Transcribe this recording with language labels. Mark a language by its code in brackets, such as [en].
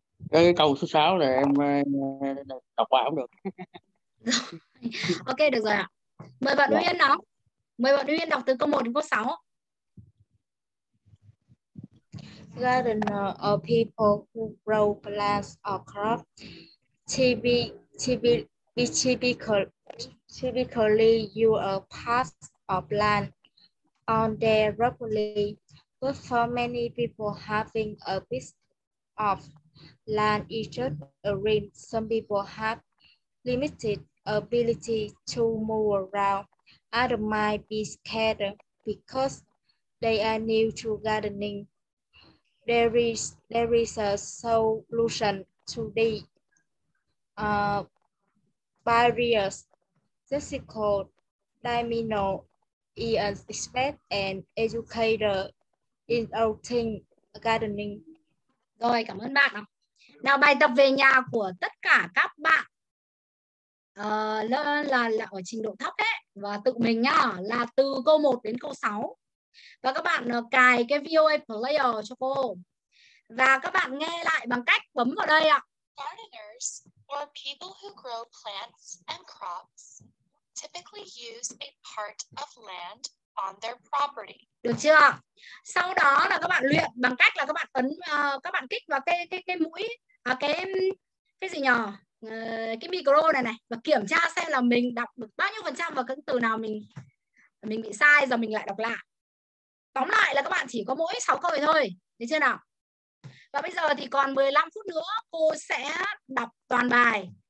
[vi] Cái câu số 6 là em đọc qua không được. Ok được rồi ạ. Mời bạn Uyên đọc. Mời bạn Uyên đọc từ câu 1 đến câu 6. [en] Gardener are people who grow plants or crops typically use a part of land on their property, but for many people having a piece of land is just a dream. Some people have limited ability to move around, others might be scared because they are new to gardening. There is a solution to the barriers. Jessica Demiano is an expert and educator in outing gardening. [vi] Rồi, cảm ơn bạn. Nào bài tập về nhà của tất cả các bạn là ở trình độ thấp ấy, và tự mình nhá, là từ câu 1 đến câu 6. Và các bạn cài cái VOA Player cho cô. Và các bạn nghe lại bằng cách bấm vào đây ạ. [en] Gardeners, or people who grow plants and crops, typically use a part of land on their property. [vi] Được chưa? Sau đó là các bạn luyện bằng cách là các bạn ấn các bạn kích vào cái mũi cái gì nhỉ? Cái micro này và kiểm tra xem là mình đọc được bao nhiêu phần trăm và cái từ nào mình bị sai rồi mình lại đọc lại. Tóm lại là các bạn chỉ có mỗi 6 câu thôi. Được chưa nào? Và bây giờ thì còn 15 phút nữa cô sẽ đọc toàn bài.